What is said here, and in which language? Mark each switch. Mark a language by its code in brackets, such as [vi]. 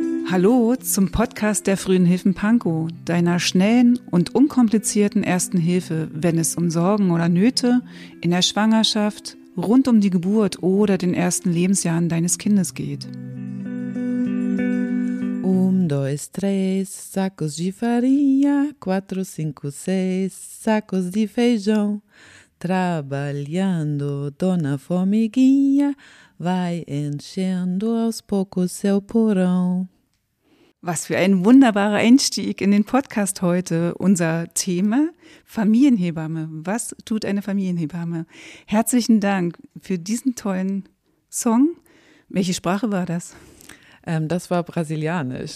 [de] Hallo zum Podcast der Frühen Hilfen Pankow, deiner schnellen und unkomplizierten Ersten Hilfe, wenn es um Sorgen oder Nöte in der Schwangerschaft, rund um die Geburt oder den ersten Lebensjahren deines Kindes geht. [pt] Um, dois, três, sacos de farinha, quatro, cinco, seis, sacos de feijão. Trabalhando, dona formiguinha, vai enchendo aos poucos seu porão. [de] Was für ein wunderbarer Einstieg in den Podcast heute. Unser Thema Familienhebamme. Was tut eine Familienhebamme? Herzlichen Dank für diesen tollen Song. Welche Sprache war das? Das war brasilianisch.